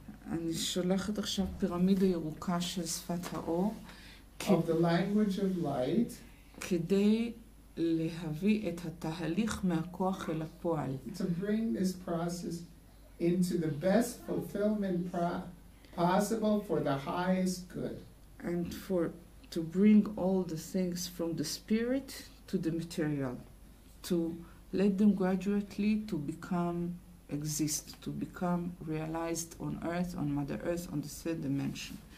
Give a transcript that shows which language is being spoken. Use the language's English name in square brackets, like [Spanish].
[Hebrew] אני שולחת עכשיו פירמידה ירוקה של שפת האור [English] of the language of light [Hebrew] כדי להביא את התהליך מהכוח אל הפועל. [English] To bring this process into the best fulfillment possible for the highest good. And for to bring all the things from the spirit to the material, to let them gradually to become exist, to become realized on earth, on Mother Earth, on the third dimension.